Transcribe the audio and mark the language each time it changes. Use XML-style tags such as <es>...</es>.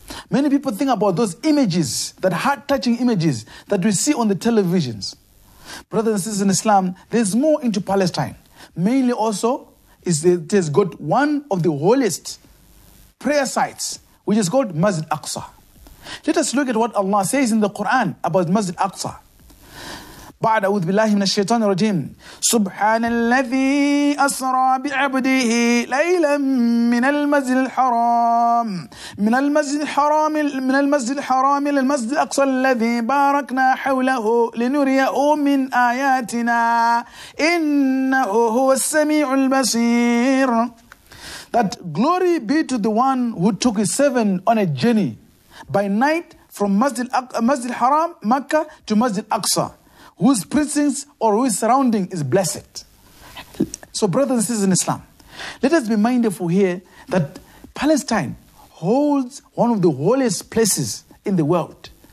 <en>Many people think about those images, that heart-touching images that we see on the televisions. Brothers and sisters in Islam, there's more into Palestine. Mainly also, is it has got one of the holiest prayer sites, which is called Masjid Aqsa. Let us look at what Allah says in the Quran about Masjid Aqsa.</en> <ar>بعد أعوذ بالله من الشيطان الرجيم سبحان الذي أسرى بعبده ليلا من المسجد الحرام من المسجد الحرام من المسجد الحرام إلى المسجد الأقصى الذي باركنا حوله لنريه من آياتنا إنه هو السميع البصير.</ar> <en>That glory be to the one who took his servant on a journey by night from Masjid Haram, Makkah, to Masjid Aqsa, whose precincts or whose surrounding is blessed. So brothers and sisters in Islam, let us be mindful here that Palestine holds one of the holiest places in the world.</en>